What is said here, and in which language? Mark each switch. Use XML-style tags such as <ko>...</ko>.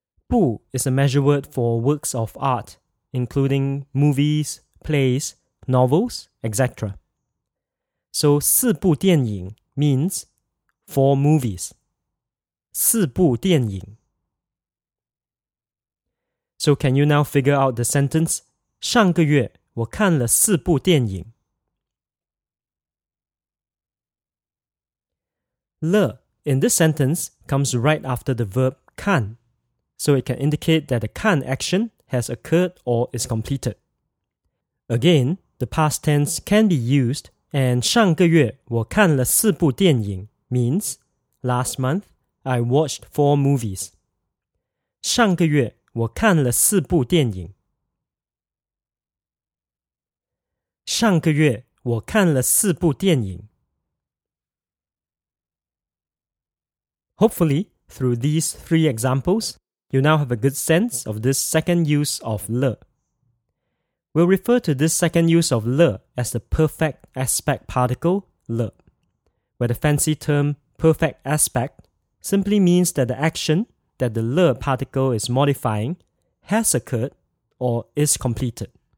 <en>不 is a measure word for works of art, including movies, plays, novels, etc. So 四部电影 means 4 movies.</en> <zh>四部电影.</zh> <en>So can you now figure out the sentence?</en> <zh>上个月我看了四部电影.</zh> <en>了 in this sentence comes right after the verb 看. So it can indicate that the 看 action has occurred or is completed. Again, the past tense can be used, and 上个月我看了四部电影 means last month, I watched 4 movies.</en> <zh>上个月我看了四部电影. 上个月我看了四部电影.</zh> <en>Hopefully, through these 3 examples, you now have a good sense of this second use of 了. We'll refer to this second use of 了 as the perfect aspect particle 了, where the fancy term perfect aspect simply means that the action that the 了 particle is modifying has occurred or is completed.</en>